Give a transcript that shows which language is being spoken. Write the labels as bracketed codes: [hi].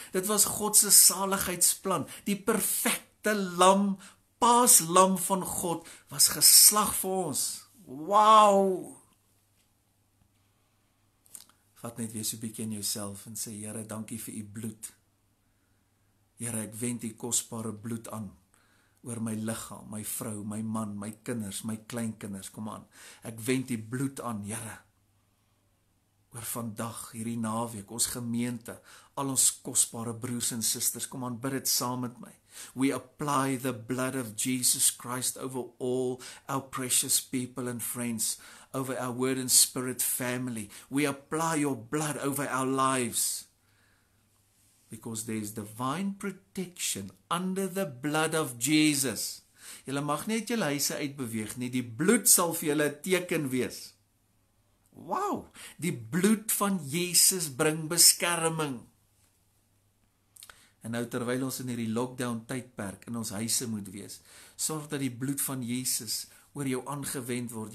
[af] Dit was Godse saligheidsplan. Die perfecte lam, paaslam van God, was geslag vir ons. Wow! Vers 5. Vat net weer so'n bietjie in jouself en sê, Here, dankie vir u bloed. Here, ek wend die kostbare bloed aan oor my lichaam, my vrou, my man, my kinders, my kleinkinders, kom aan. Ek wend die bloed aan, Here. Oor vandag, hierdie naweek, ons gemeente, al ons kostbare broers en sisters, kom aan, bid het saam met my. [en] We apply the blood of Jesus Christ over all our precious people and friends, over our Word and Spirit family. We apply your blood over our lives. Because there is divine protection under the blood of Jesus. [af] Julle mag nie uit julle huise uitbeweeg nie. Die bloed sal vir julle teken wees. Wow! Die bloed van Jesus bring beskerming. En nou terwyl ons in hierdie lockdown tydperk in ons huise moet wees, sorg dat die bloed van Jesus oor jou aangewend word.